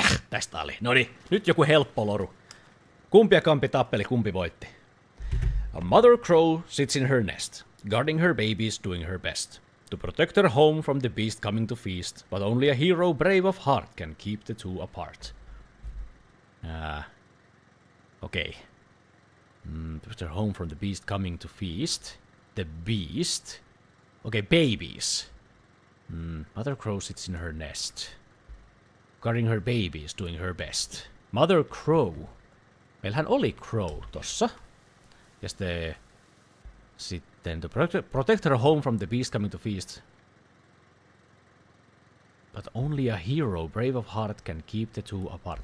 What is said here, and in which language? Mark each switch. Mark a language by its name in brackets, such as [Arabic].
[Finnish] Tästä oli. Noni, nyt joku helppo loru. Kumpi ja kampi tappeli, kumpi voitti? [English] A mother crow sits in her nest, guarding her babies, doing her best. To protect her home from the beast coming to feast, but only a hero brave of heart can keep the two apart. Okei. To protect her home from the beast coming to feast. The beast. Okei, babies. Mother crow sits in her nest. Guarding her baby is doing her best. Mother crow. [Finnish] Meillähän oli crow tossa. Ja sitten... [English] To protect her home from the beast coming to feast. But only a hero brave of heart can keep the two apart.